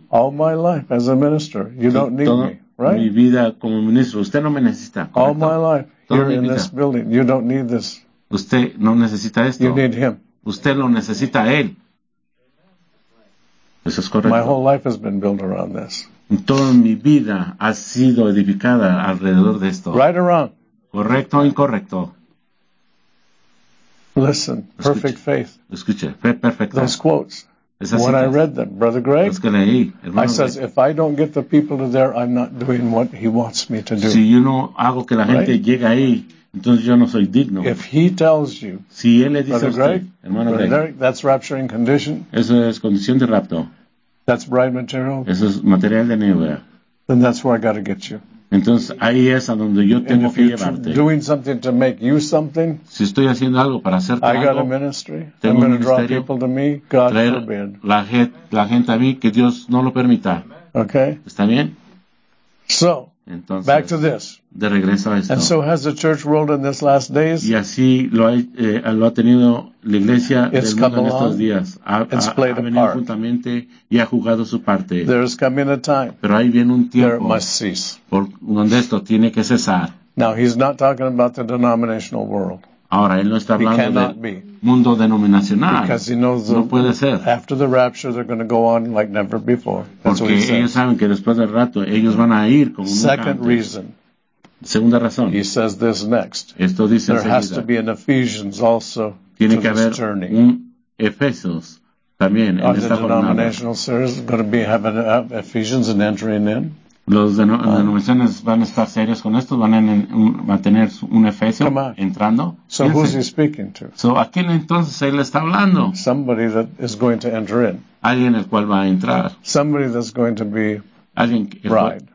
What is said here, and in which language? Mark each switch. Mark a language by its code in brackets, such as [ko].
[en] All my life as a minister, you don't need me, right? [es] Mi vida como ministro, usted no me necesita. ¿Correcto? [en] All my life, you're in this building, you don't need this. [es] Usted no necesita esto. [en] You need him. [es] Usted lo necesita a él. Eso es correcto. [en] My whole life has been built around this. [es] Toda mi vida ha sido edificada alrededor de esto. [en] Right or wrong. [es] Correcto o incorrecto. [en] Listen, escuche, perfect faith. [es] Escuche, fe perfecta. [en] Those quotes. [es] Esas [en] when [es] citas. [en] I read them, Brother Greg. [es] Los que leí, hermano [en] I [es] Greg. [en] Says, if I don't get the people to there, I'm not doing what he wants me to do. [es] Si yo no hago que la gente [en] right? [es] llegue ahí, entonces yo no soy digno. [en] If he tells you, [es] si él le dice [en] Brother [es] a Greg, usted, hermano [en] Brother Greg, Derek, that's rapturing condition. [es] Eso es condición de rapto. [en] That's bride material. [es] Eso es material de nueva. [en] Then that's where I got to get you. [es] Entonces ahí es a donde yo tengo que llevarte. [en] Doing something to make you something. [es] Si estoy haciendo algo para hacerte [en] I [es] algo. [en] I got a ministry. [es] Tengo [en] I'm going to draw people to me. God forbid. [es] La gente a mí que Dios no lo permita. [en] Okay. [es] Está bien. [en] So. [es] Entonces, [en] back to this. [es] De regreso a esto. [en] And so has the church world in these last days. [es] Y así lo ha tenido la iglesia [en] it's [es] del mundo en estos [en] along, [es] días. [en] It's played [es] ha venido juntamente y ha jugado su parte. [en] There is coming a time. [es] Pero ahí viene un tiempo. [en] There it must cease. [es] Por donde esto tiene que cesar. [en] Now he's not talking about the denominational world. [es] Ahora él no está hablando [en] he cannot [es] del [en] be. [es] Mundo denominacional. [en] Because he knows [es] no puede ser. [en] After the rapture they're going to go on like never before. That's [es] porque [en] what he [es] ellos [en] says. [es] Saben que después del rato ellos van a ir como nunca [en] second [es] antes. [en] Reason. [es] Segunda razón. [en] He says this next. [es] Esto dice [en] there [es] enseguida. [en] Has to be an Ephesians also [es] tiene [en] to [es] que haber [en] journey. [es] Un Efesios también en [en] are [es] esta [en] the denominational series going to be having Ephesians and entering in? [es] Los denominaciones van a estar serios con esto, van a mantener un efesio entrando. [en] So who's he speaking to? [es] So ¿a quién entonces él está hablando? [en] Somebody that is going to enter in. [es] Alguien el cual va a entrar. [en] Somebody that's going to be [es] alguien que [en] bride.